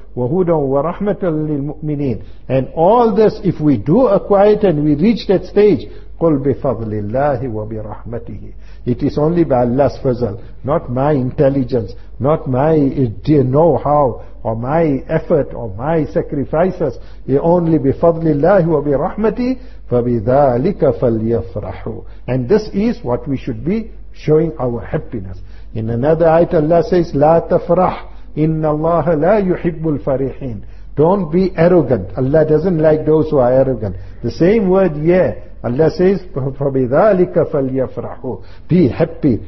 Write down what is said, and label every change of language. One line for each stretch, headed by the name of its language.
Arabic: وَهُدًا وَرَحْمَةً لِلْمُؤْمِنِينَ.
English: And all this, if we do acquire it and we reach that stage,
Arabic: قُلْ بِفَضْلِ اللَّهِ وَبِرَحْمَتِهِ.
English: It is only by Allah's fazal, not my intelligence, not my know-how, or my effort, or my sacrifices. Only
Arabic: بِفَضْلِ اللَّهِ وَبِرَحْمَتِهِ. فَبِذَٰلِكَ فَلْيَفْرَحُوا.
English: And this is what we should be showing our happiness. In another ayat Allah says,
Arabic: لَا تَفْرَحْ إِنَّ اللَّهَ لَا يُحِبُّ الْفَرِحِينَ.
English: Don't be arrogant. Allah doesn't like those who are arrogant. The same word, yeah, Allah says,
Arabic: فَبِذَٰلِكَ فَلْيَفْرَحُوا.
English: Be happy.